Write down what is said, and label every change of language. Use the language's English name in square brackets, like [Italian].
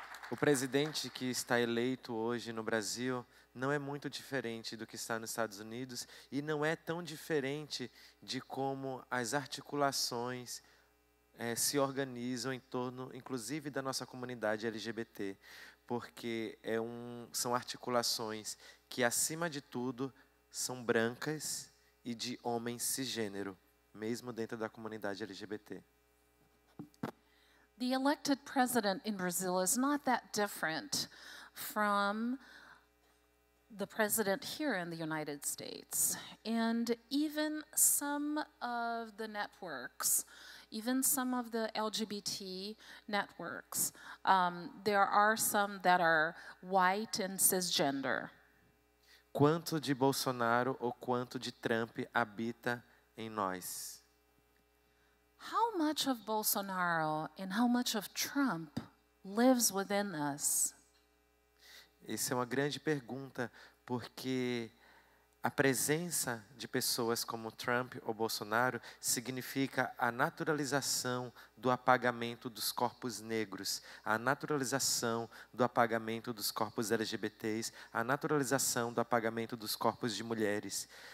[Portuguese] O presidente que está eleito hoje no Brasil não é muito diferente do que está nos Estados Unidos e não é tão diferente de como as articulações se organizam em torno, inclusive, da nossa comunidade LGBT, porque são articulações que, acima de tudo, são brancas e de homens cisgênero. Mesmo dentro da comunidade LGBT. [English] The elected president in Brazil is not that different from the president here in the United States. And even some of the networks, even some of the LGBT networks, there are some that are white and cisgender. [Portuguese] Quanto de Bolsonaro ou quanto de Trump habita em nós? [English] How much of Bolsonaro and how much of Trump lives within us? [Portuguese] Essa é uma grande pergunta, porque a presença de pessoas como Trump ou Bolsonaro significa a naturalização do apagamento dos corpos negros, a naturalização do apagamento dos corpos LGBTs, a naturalização do apagamento dos corpos de mulheres.